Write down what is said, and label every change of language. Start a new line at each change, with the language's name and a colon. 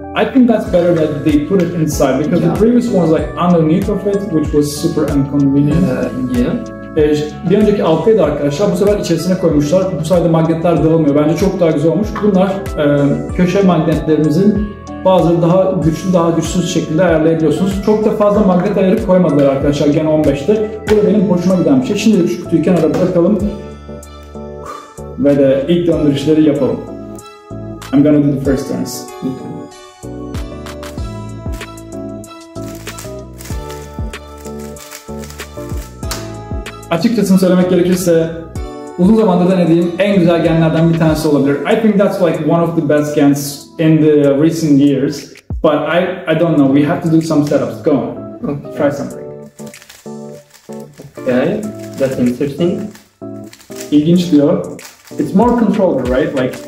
English: I think that's better that they put it inside because the previous one was like underneath of it, which was super inconvenient.
Turkish: Bir önceki alfayı da arkadaşlar bu sefer içerisine koymuşlar. Bu sayede magnetler dağılmıyor. Bence çok daha güzel olmuş. Bunlar köşe magnetlerimizin bazıları daha güçlü, daha güçsüz şekilde ayarlayabiliyorsunuz. Çok da fazla magnet ayarı koymadılar arkadaşlar Gen 15'te. Bu da benim hoşuma giden bir şey. Şimdi şu kutuyu kenara bırakalım. Ve de ilk döndürüşleri yapalım.
English: I'm gonna do the first turns.
Turkish: Açıkçası söylemek gerekirse uzun zamandır denediğim en güzel genlerden bir tanesi olabilir.
English: I think that's like one of the best gens in the recent years. But I don't know, we have to do some setups. Go on, okay. Try something. Okay, that's interesting.
Turkish: İlginç diyor.
English: It's more controlled, right? Like,